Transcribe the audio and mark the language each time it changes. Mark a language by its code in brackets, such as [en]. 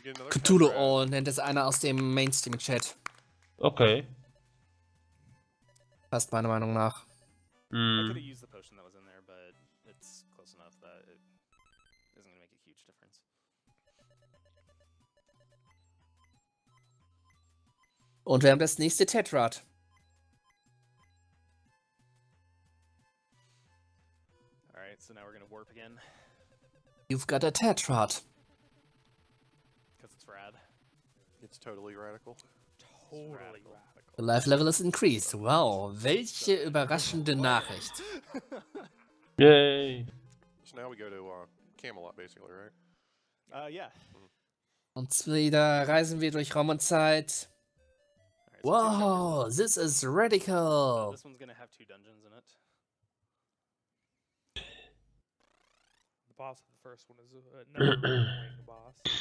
[de] Cthulhu All nennt es einer aus dem Mainstream-Chat. Okay. Passt meiner Meinung nach. Mm. [en] I could have used the potion that was in there, but it's close enough that it isn't gonna make a huge difference. [de] Und wir haben das nächste Tetrad. [en] Alright, so now we're gonna warp again. You've got a Tetrad. Because it's rad. It's totally radical. Totally radical. The life level is increased. [de] Wow, welche überraschende Nachricht. Yay! [en] So now we go to Camelot, basically, right? Yeah. [de] Und wieder reisen wir durch Raum und Zeit. [en] Wow, this is radical! This one's gonna have two dungeons in it. The boss of the first one is another boss.